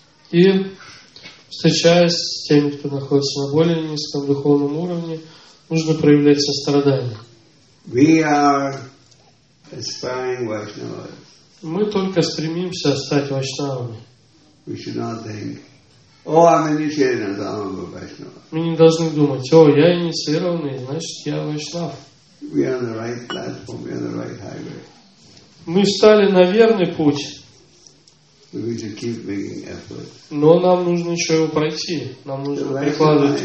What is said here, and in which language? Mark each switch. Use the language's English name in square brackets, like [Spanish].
[Russian] И, встречаясь с теми, кто находится на более низком духовном уровне, нужно проявлять сострадание. [English] We are aspiring Vaishnavas. [Russian] Мы только стремимся стать вайшнавами. [English] We should not think, oh, I'm initiated, and I'm a Vaishnava. [Russian] Мы не должны думать, о, я инициированный, значит, я вайшнав. [English] We are on the right platform, we are on the right highway. [Russian] Мы встали на верный путь. Но нам нужно еще его пройти. Нам нужно прикладывать